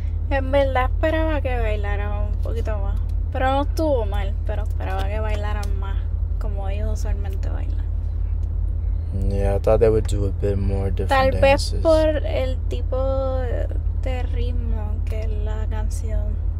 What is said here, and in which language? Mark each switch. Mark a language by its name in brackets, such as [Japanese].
[Spanish] En verdad esperaba que bailaran un poquito más. Pero no estuvo mal, pero esperaba que bailaran más. Como ellos usualmente bailan. [English] Yeah, I thought they would do a bit more different [Spanish] Tal [English] dances. [Spanish] Vez por el tipo de ritmo que es la canción.